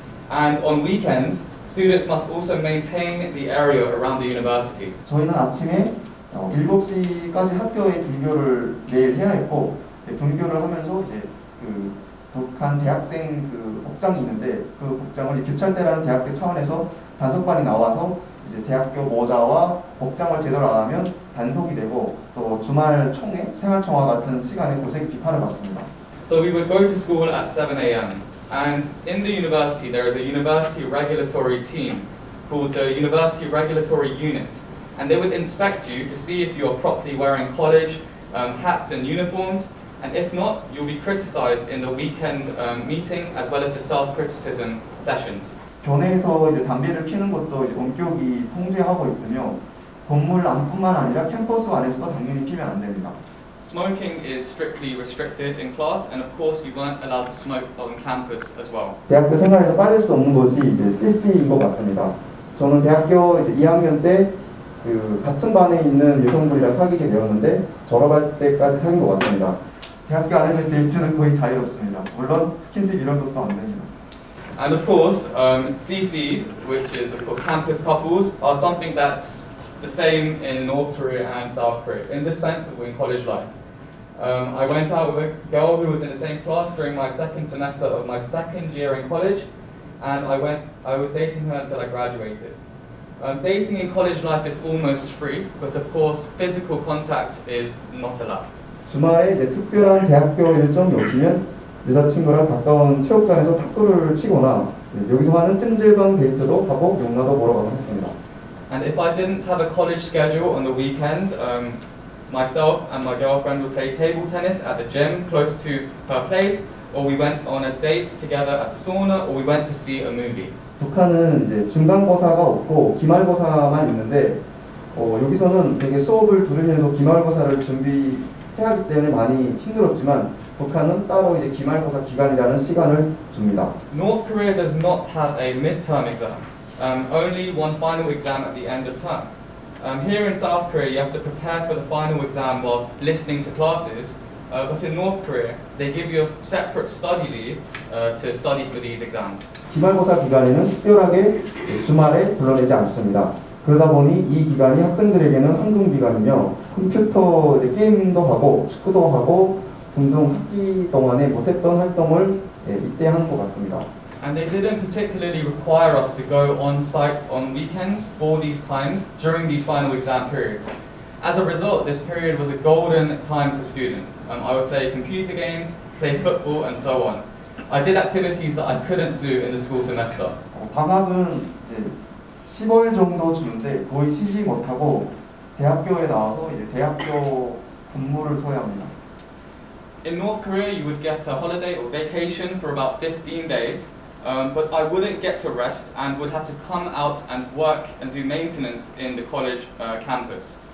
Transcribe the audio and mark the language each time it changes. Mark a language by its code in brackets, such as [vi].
[en] And on weekends, students must also maintain the area around the university. [ko] 저희는 아침에 7시까지 학교에 등교를 매일 해야 했고 등교를 하면서 이제 그 북한 대학생 그 복장이 있는데 그 복장을 규찰대라는 대학교 차원에서 단속반이 나와서 이제 대학교 모자와 복장을 제대로 안 하면 단속이 되고 또 주말 총회, 생활청화 같은 시간에 고생 비판을 받습니다. [en] So we would go to school at 7 a.m. And in the university, there is a university regulatory team called the University Regulatory Unit. And they would inspect you to see if you are properly wearing college hats and uniforms. And if not, you'll be criticized in the weekend meeting as well as the self-criticism sessions. [ko] 교내에서 이제 담배를 피는 것도 이제 본격이 통제하고 있으며 건물 안뿐만 아니라 캠퍼스 안에서도 당연히 피면 안 됩니다. [en] Smoking is strictly restricted in class, and of course, you weren't allowed to smoke on campus as well. [ko] 대학교 생활에서 빠질 수 없는 것이 이제 CC인 것 같습니다. 저는 대학교 이제 2학년 때 그 같은 반에 있는 여성분이랑 사귀게 되었는데 졸업할 때까지 사귄 것 같습니다. 대학교 안에서 데이트는 거의 자유롭습니다. 물론 스킨십 이런 것도 안 됩니다. [en] And of course, CCs, which is of course campus couples, are something that's the same in North Korea and South Korea, indispensable in college life. I went out with a girl who was in the same class during my second semester of my second year in college, and I was dating her until I graduated. Dating in college life is almost free, but of course, physical contact is not allowed. [ko] 주말에 이제 특별한 대학교 일정이 없으면 여자친구랑 가까운 체육관에서 탁구를 치거나 여기서 하는 찜질방 데이트도 하고 용나도 보러 가곤 했습니다. [en] And if I didn't have a college schedule on the weekend, myself and my girlfriend would play table tennis at the gym close to her place, or we went on a date together at the sauna, or we went to see a movie. [ko] 북한은 이제 중간고사가 없고 기말고사만 있는데 여기서는 되게 수업을 들으면서 기말고사를 준비해야 하기 때문에 많이 힘들었지만 북한은 따로 이제 기말고사 기간이라는 시간을 줍니다. [en] North Korea does not have a midterm exam. Only one final exam at the end of term. Here in South Korea, you have to prepare for the final exam while listening to classes. But in North Korea, they give you a separate study leave to study for these exams. [ko] 기말고사 기간에는 특별하게 주말에 불러내지 않습니다. 그러다 보니 이 기간이 학생들에게는 황금 기간이며 컴퓨터 이제 게임도 하고 축구도 하고 등등 학기 동안에 못했던 활동을 이때 한 것 같습니다. [en] And they didn't particularly require us to go on site on weekends for these times during these final exam periods. As a result, this period was a golden time for students. I would play computer games, play football, and so on. I did activities that I couldn't do in the school semester. [ko] 방학은 이제 15일 정도 주는데 거의 쉬지 못하고 대학교에 나와서 이제 대학교 근무를 써야 합니다. [en] In North Korea, you would get a holiday or vacation for about 15 days. But I wouldn't get to rest and would have to come out and work and do maintenance in the college campus.